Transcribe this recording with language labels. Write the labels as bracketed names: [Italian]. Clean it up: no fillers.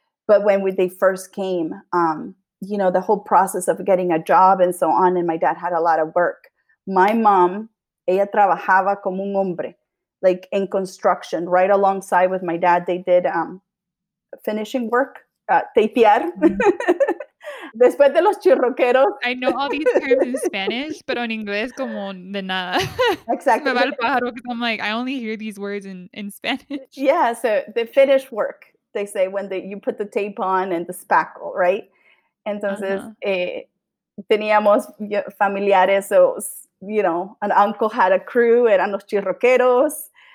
[English] But when they first came, you know, the whole process of getting a job and so on, and my dad had a lot of work. My mom, [Spanish] ella trabajaba como un hombre, [English] like in construction, right alongside with my dad. They did finishing work, tapiar. [Spanish] Después de los chirroqueros. [English] I know all these terms in Spanish, but [Spanish] en inglés como de nada. [English] Exactly. [Spanish] Me va el pájaro, [English] because I'm like, I only hear these words in Spanish. Yeah, so the finish work, they say, when you put the tape on and the spackle, right? [Spanish] Entonces, teníamos familiares, [English] so, you know, an uncle had a crew, [Spanish] eran los chirroqueros.